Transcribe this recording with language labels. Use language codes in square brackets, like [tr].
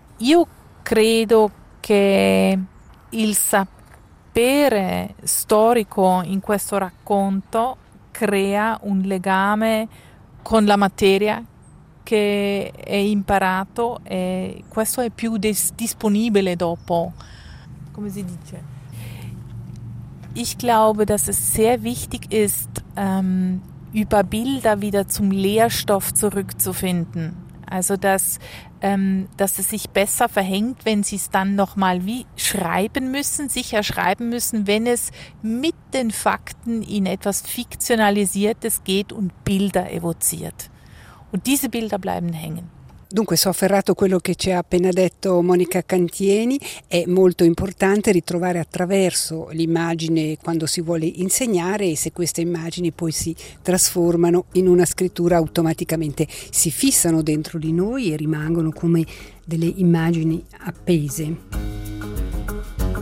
[it] Io credo che il sapere storico in questo racconto crea un legame con la materia che è imparato e questo è più disponibile dopo. Come si dice? [de] Ich glaube, dass es sehr wichtig ist, über Bilder wieder zum Lehrstoff zurückzufinden. Also dass es sich besser verhängt, wenn Sie es dann nochmal wie schreiben müssen, sicher schreiben müssen, wenn es mit den Fakten in etwas Fiktionalisiertes geht und Bilder evoziert. Und diese Bilder bleiben hängen. [it] Dunque, so afferrato quello che ci ha appena detto Monica Cantieni, è molto importante ritrovare attraverso l'immagine quando si vuole insegnare e se queste immagini poi si trasformano in una scrittura automaticamente si fissano dentro di noi e rimangono come delle immagini appese.